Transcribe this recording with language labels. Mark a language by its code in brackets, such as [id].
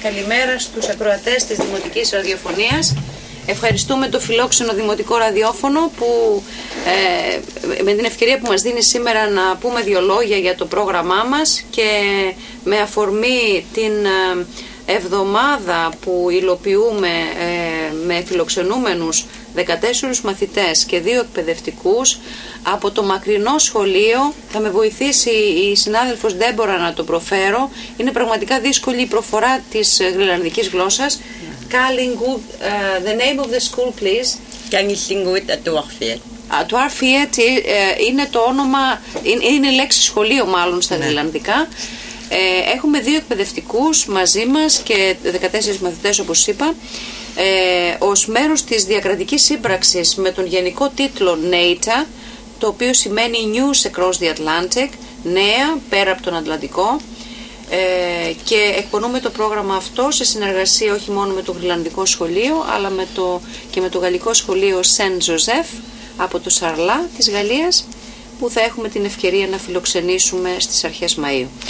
[el] Καλημέρα στους ακροατές της Δημοτικής Ραδιοφωνίας. Ευχαριστούμε το φιλόξενο Δημοτικό Ραδιόφωνο που με την ευκαιρία που μας δίνει σήμερα να πούμε δύο λόγια για το πρόγραμμά μας και με αφορμή την εβδομάδα που υλοποιούμε με φιλοξενούμενους 14 μαθητές και 2 εκπαιδευτικούς από το μακρινό σχολείο. Θα με βοηθήσει η συνάδελφος Ντέμπορα να το προφέρω. Είναι πραγματικά δύσκολη η προφορά της γροιλανδικής γλώσσας. [en] Kalingut, the name of the school, please. [kl] Kalingut Atuarfiet. [el] Atuarfiet είναι το όνομα, είναι λέξη σχολείο μάλλον στα γροιλανδικά. Έχουμε 2 εκπαιδευτικούς μαζί μας και 14 μαθητές, όπως είπα. Ως μέρος της διακρατικής σύμπραξης με τον γενικό τίτλο NATA, το οποίο σημαίνει News Across the Atlantic, νέα πέρα από τον Ατλαντικό, και εκπονούμε το πρόγραμμα αυτό σε συνεργασία όχι μόνο με το Γροιλανδικό σχολείο αλλά και με το Γαλλικό σχολείο Σεν Ζωζέφ από το Σαρλά της Γαλλίας, που θα έχουμε την ευκαιρία να φιλοξενήσουμε στις αρχές Μαΐου.